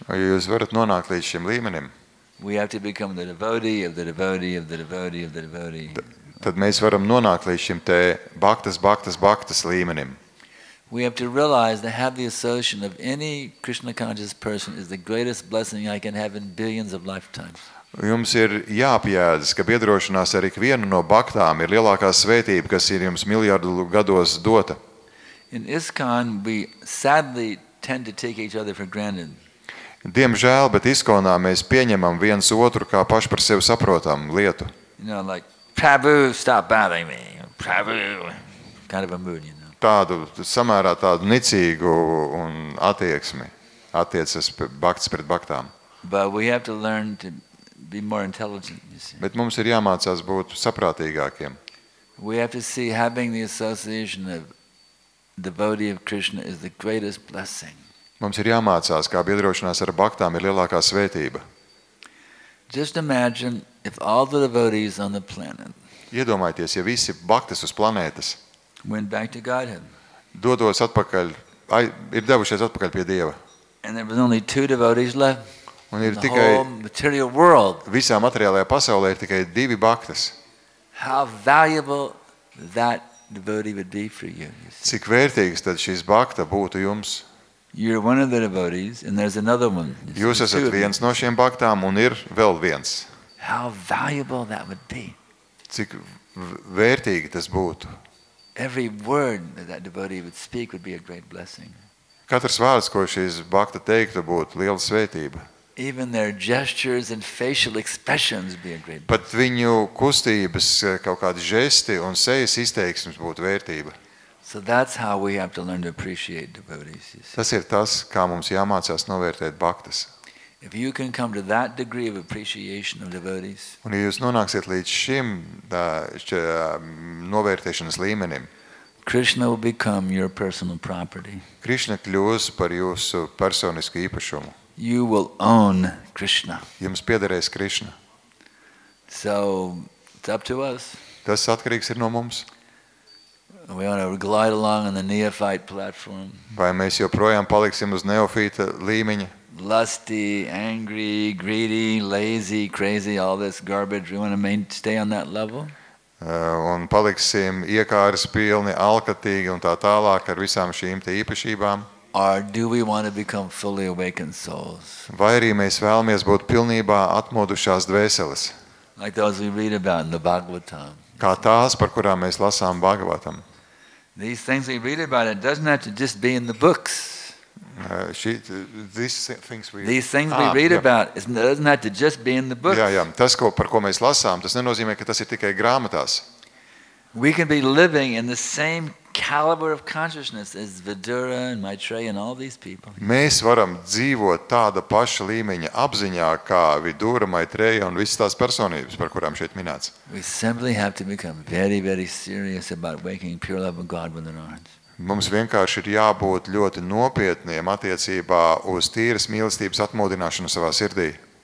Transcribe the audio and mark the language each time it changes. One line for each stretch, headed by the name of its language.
Latvian: Ja jūs varat nonākt līdz šim līmenim.
English: We have to become the devotee of the devotee of the devotee of the devotee.
Latvian: Tad mēs varam nonākt līdz šim te baktas līmenim.
English: We have to realize that have the association of any Krishna conscious person is the greatest blessing I can have in billions of lifetimes.
Latvian: Jums ir jāpjēdz, ka biedrošanās ar ikvienu no baktām ir lielākā svētība, kas ir jums miljardu gados dota.
English: In ISKCON we sadly tend to take each other for granted.
Latvian: Diemžēl, bet ISKCONā mēs pieņemam viens otru kā paš par sevi saprotamu lietu.
English: You know, like, Prabhu, stop bothering me. Prabhu. Kind of a mood, you know.
Latvian: Tādu, samērā tādu nicīgu un attieksmi. Attiecas bakts pret baktām.
English: But we have to learn to be more intelligent, you see.
Latvian: Bet mums ir jāmācās būt saprātīgākiem.
English: We have to see having the association of devotee of Krishna is the greatest blessing.
Latvian: Mums ir jāmācās, kā biedrošanās ar baktām ir lielākā svētība.
English: Just imagine if all the devotees on the planet.
Latvian: Iedomājieties, ja visi baktas uz planētas
English: went back to Godhead.
Latvian: Dodos atpakaļ, ir devušies atpakaļ pie Dieva.
English: And there was only two devotees left.
Latvian: Un ir tikai
English: material world.
Latvian: Visā materiālajā pasaulē ir tikai divi baktas.
English: How valuable that devotee would be for you.
Latvian: Cik vērtīgs tad šis bakta būtu jums?
English: You're one of the devotees and there's another one.
Latvian: Jūs esat viens no šiem baktām un ir vēl viens.
English: How valuable that would be.
Latvian: Cik vērtīgi tas būtu.
English: Every word that devotee would speak would be a great blessing.
Latvian: Katrs vārds, ko šis bakta teiktu, būtu liela svētība.
English: Even their gestures and facial expressions be a great blessing.
Latvian: Pat viņu kustības, kaut kādi žesti un sejas izteiksmes būtu vērtība.
English: So that's how we have to learn to appreciate devotees.
Latvian: Tas ir tas, kā mums jāmācās novērtēt baktas.
English: If you can come to that degree of appreciation of devotees.
Latvian: Un ja jūs nonāksiet līdz šim novērtēšanas līmenim.
English: Krishna will become your personal property.
Latvian: Krishna kļūs par jūsu personisku īpašumu.
English: You will own Krishna.
Latvian: Jums piederēs Krishna.
English: So, it's up to us.
Latvian: Tas atkarīgs ir no mums.
English: We want to glide along on the neophyte platform.
Latvian: Vai mēs joprojām paliksim uz neofīta līmeņa?
English: Lusty, angry, greedy, lazy, crazy, all this garbage. We want to stay on that level.
Latvian: Un paliksim iekāres pilni, alkatīgi un tā tālāk ar visām šīm te īpašībām.
English: Or do we want to become fully awakened souls?
Latvian: Vai arī mēs vēlamies būt pilnībā atmodušās dvēseles?
English: Like those we read about in the Bhagavatam.
Latvian: Kā tās, par kurām mēs lasām Bhagavatam.
English: These things we read about, it doesn't have to just be in the books. These things we read about it doesn't have to just be in the books.
Latvian: Jā, tas, par ko mēs lasām, tas nenozīmē, ka tas ir tikai grāmatās.
English: We can be living in the same caliber of consciousness as Vidura and Maitreya and all these people.
Latvian: Mēs varam dzīvot tāda paša līmeņa apziņā kā Vidura, Maitreya un visas tās personības, par kurām šeit minēts.
English: We simply have to become very, very serious about waking pure love of God within our hearts.
Latvian: Mums vienkārši ir jābūt ļoti nopietniem attiecībā uz tīras mīlestības atmodināšanu savā sirdī.